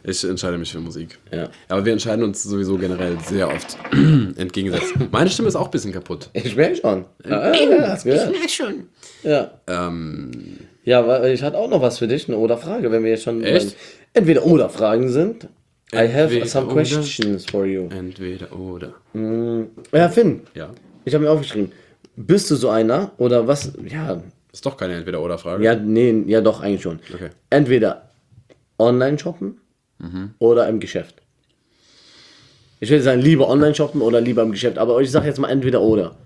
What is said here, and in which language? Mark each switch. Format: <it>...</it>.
<de>Ich entscheide mich für Musik. Ja. Aber wir entscheiden uns sowieso generell sehr oft entgegengesetzt. Meine Stimme ist auch ein bisschen kaputt. Ich merke schon. Ich merke schon. Ja. Ja, weil ich hatte auch noch was für dich, eine Oder-Frage, wenn wir jetzt schon... Echt? Entweder oder Fragen sind.</de> <en>I have some questions for you.</en> <de>Entweder oder. Ja, Finn. Ja. Ich habe mir aufgeschrieben. Bist du so einer oder was? Ja. Ist doch keine Entweder oder Frage. Ja, nee, ja doch, eigentlich schon. Okay. Entweder online shoppen oder im Geschäft. Ich würde sagen, lieber online shoppen oder lieber im Geschäft. Aber ich sage jetzt mal entweder oder.</de>